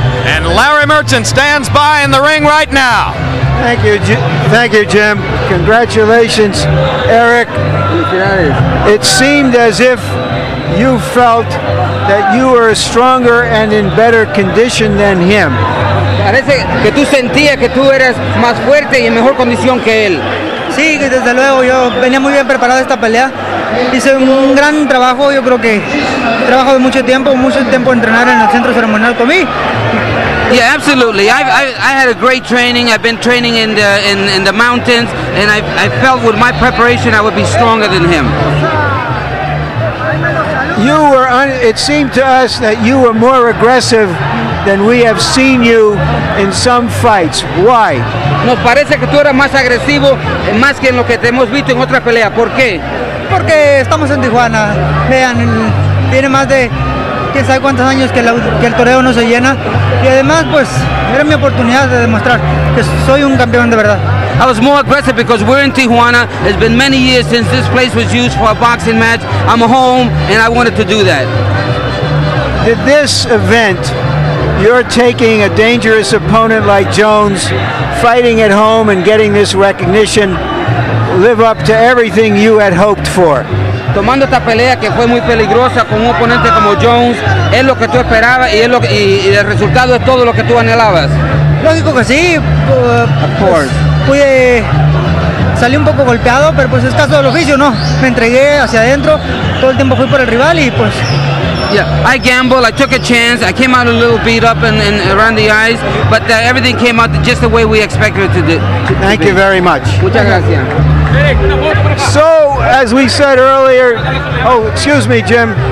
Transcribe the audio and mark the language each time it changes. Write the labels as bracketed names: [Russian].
[English] And Larry Merchant stands by in the ring right now. Thank you, Jim. Congratulations, Érik. It seemed as if you felt that you were stronger and in better condition than him. [Spanish] Parece que tú sentías que tú eras más fuerte y en mejor condición que él. Sí, desde luego, yo venía muy bien preparado a esta pelea. Hice un gran trabajo, yo creo que trabajo de mucho tiempo entrenar en el centro ceremonial con mí. [English] Yeah, absolutely. I had a great training. I've been training in the mountains, and I felt with my preparation I would be stronger than him. you were it seemed to us that you were more aggressive than we have seen you in some fights. Why? [Spanish] Nos parece que tú eras más agresivo más que en lo que te hemos visto en otra pelea. ¿Por qué? Porque estamos en Tijuana. Vean, tiene más de quién sabe cuántos años que el toreo no se llena. Y además, pues, era mi oportunidad de demostrar que soy un campeón de verdad. [English] I was more aggressive because we're in Tijuana. It's been many years since this place was used for a boxing match. I'm home and I wanted to do that. Did this event, you're taking a dangerous opponent like Jones, fighting at home and getting this recognition, live up to everything you had hoped for? [Spanish] Tomando esta pelea que fue muy peligrosa con un oponente como Jones, es lo que tú esperabas y, y el resultado es todo lo que tú anhelabas. Lógico que sí. [English] Of course. [Spanish] Pude salir un poco golpeado, pero pues es caso del oficio, ¿no? Me entregué hacia adentro, todo el tiempo fui por el rival y pues... [English] Yeah, I gambled, I took a chance, I came out a little beat up and around the eyes, but everything came out just the way we expected it to do. Thank you very much. [Spanish] Muchas gracias. [English] So, as we said earlier... Oh, excuse me, Jim.